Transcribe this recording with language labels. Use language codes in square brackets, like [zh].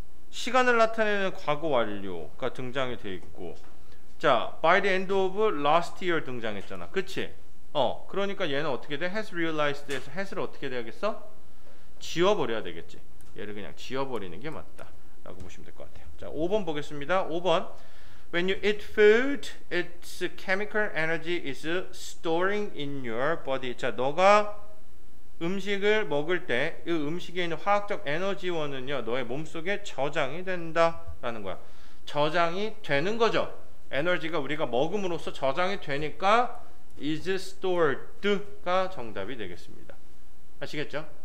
[ko] 시간을 나타내는 과거 완료가 등장이 돼 있고, 자, [en] by the end of last year [ko] 등장했잖아. 그치? 그러니까 얘는 어떻게 돼? [en] has realized [ko] 에서 has를 어떻게 돼야겠어? 지워버려야 되겠지. 얘를 그냥 지워버리는 게 맞다라고 보시면 될것 같아요. 자, 5번 보겠습니다. 5번. [en] When you eat food, its chemical energy is storing in your body. [ko] 자, 너가 음식을 먹을 때, 이 음식에 있는 화학적 에너지원은요, 너의 몸속에 저장이 된다라는 거야. 저장이 되는 거죠. 에너지가 우리가 먹음으로써 저장이 되니까 [en] is stored [ko] 가 정답이 되겠습니다. 아시겠죠?